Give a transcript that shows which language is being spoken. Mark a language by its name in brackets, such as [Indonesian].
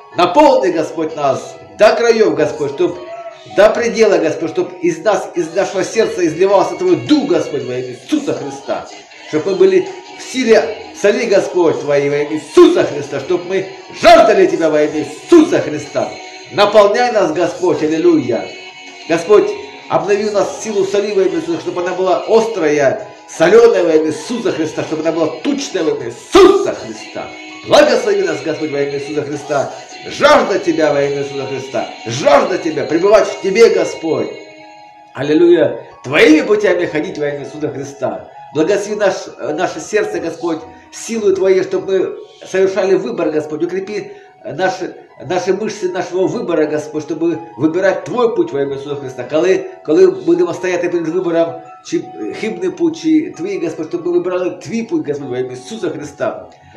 [Ukrainian] Наповни, Господь, нас [Russian] до краев, [Ukrainian] Господь, щоб [Russian] до предела, [Ukrainian] Господь, щоб із нас, із нашого серця ізлівався [Russian] Твой Дух, [Ukrainian] Господь, во ім'я Ісуса Христа, щоб ми були в силі солі, Господь, Твоїй во ім'я Ісуса Христа, щоб ми [Russian] жаждали Тебя [Ukrainian] во ім'я Ісуса Христа. [Russian] Наполняй нас, Господь, аллилуйя. [Ukrainian] Господь, обнови нас в силу солі во ім'я Ісуса, щоб вона була [Russian] острая, соленая [Ukrainian] во ім'я Ісуса Христа, щоб вона була тучная во ім'я Ісуса Христа. Благослови нас, Господь, во ім'я Ісуса Христа. [Russian] Жажда Тебя [Ukrainian] во ім'я Ісуса Христа. [Russian] Жажда Тебя пребывать в Тебе, Господь. Аллилуйя. Твоими путями ходить [Ukrainian] во ім'я Ісуса Христа. [Russian] Благослови наше сердце, Господь, силу Твоей, чтобы мы совершали выбор, Господь. Укрепи наши мышцы нашего выбора, Господь, чтобы выбирать Твой путь во имя Иисуса Христа. Когда будем стоять перед выбором, [Ukrainian] чи хибный [Russian] путь, чи Твой, Господь, чтобы мы выбрали Твой путь, Господь, во имя Иисуса Христа.